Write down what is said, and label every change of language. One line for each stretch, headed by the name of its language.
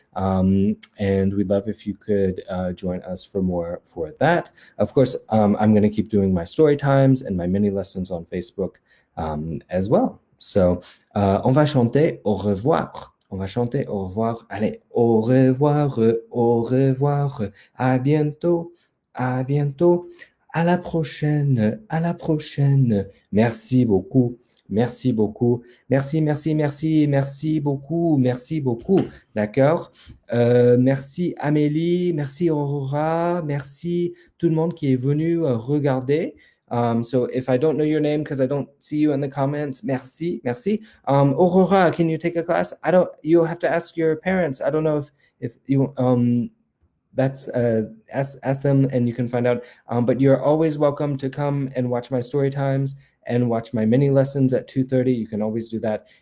English: And we'd love if you could join us for more for that. Of course, I'm going to keep doing my story times and my mini lessons on Facebook as well. So
French: on va chanter au revoir. On va chanter au revoir. Allez, au revoir, à bientôt, à la prochaine, merci beaucoup. Merci beaucoup. Merci, merci, merci, merci beaucoup. Merci beaucoup. D'accord. Merci Amélie. Merci Aurora. Merci tout le monde qui est venu regarder.
English: So if I don't know your name because I don't see you in the comments,
French: merci, merci.
English: Aurora, can you take a class? You'll have to ask your parents. I don't know if you that's ask them and you can find out. But you're always welcome to come and watch my story times and watch my mini lessons at 2:30. You can always do that.